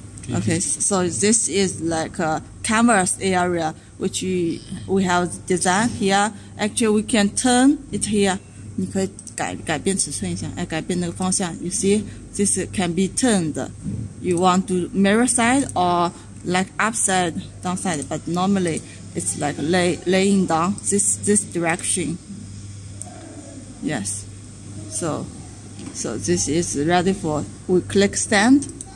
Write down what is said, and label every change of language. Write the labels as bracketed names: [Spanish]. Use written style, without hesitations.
[English] Okay, so this is like a canvas area which we have designed here. Actually, we can turn it here. [Chinese] 你可以改变尺寸一下，改变那个方向。 [English] You see, this can be turned. You want to mirror side or like upside, downside, but normally it's like laying down this direction. Yes. So this is ready for, we click stand.